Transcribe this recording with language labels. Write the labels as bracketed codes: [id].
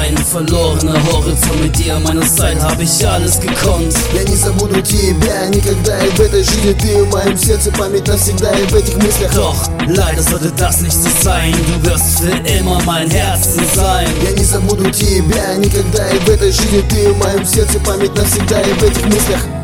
[de] Verlorener Horizont, mit dir an meiner Seite hab ich alles gekonnt. [ru] Я не забуду тебя никогда, и в этой жизни ты в моем сердце память навсегда, и в этих мыслях. [de] Doch, leider sollte das nicht so sein, du wirst für immer mein Herzen sein. [ru] Я не забуду тебя никогда, и в этой жизни ты в моем сердце память навсегда, и в этих мыслях.